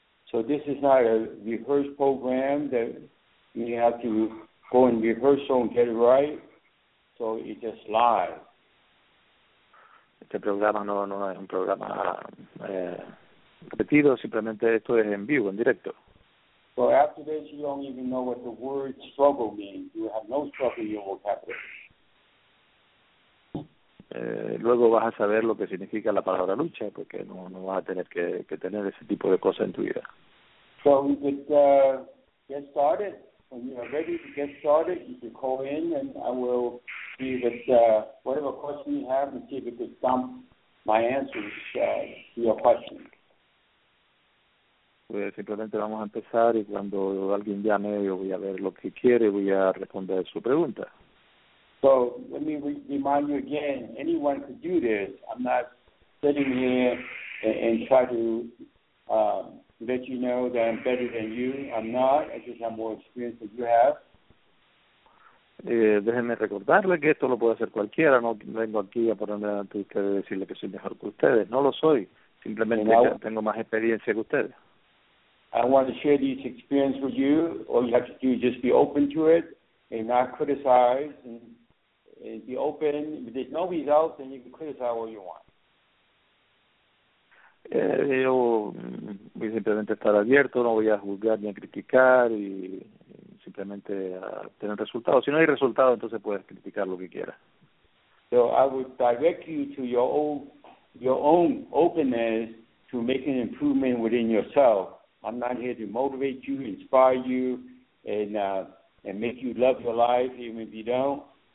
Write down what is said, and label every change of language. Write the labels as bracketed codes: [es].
[en] So this is not a rehearsed program that you have to go in rehearsal and get it right. So it's just live. [es] Este programa no es un programa repetido, simplemente esto es en vivo, en directo. [en] So after this, you don't even know what the word struggle means. You have no struggle in your vocabulary. [es] Luego vas a saber lo que significa la palabra lucha, porque no vas a tener que tener ese tipo de cosas en tu vida. [en] So we could get started. When you are ready to get started, you can call in and I will see that whatever question you have and see if it could stump my answers to your question. [es] Pues simplemente vamos a empezar y cuando alguien llame, yo voy a ver lo que quiere y voy a responder su pregunta. [en] So let me remind you again, anyone could do this. I'm not sitting here and try to let you know that I'm better than you. I'm not. I just have more experience than you have. [es] Déjenme recordarle que esto lo puede hacer cualquiera. No vengo aquí a ponerme ante ustedes y decirle que soy mejor que ustedes. No lo soy. Simplemente tengo más experiencia que ustedes. [en] I want to share these experiences with you. All you have to do is just be open to it and not criticize. And be open. If there's no results, then you can criticize all you want. [es] Yo voy simplemente a estar abierto, no voy a juzgar ni a criticar y simplemente a tener resultados. Si no hay resultados, entonces puedes criticar lo que quieras. [en] So I would direct you to your own openness to make an improvement within yourself. I'm not here to motivate you, inspire you, and make you love your life even if you don't.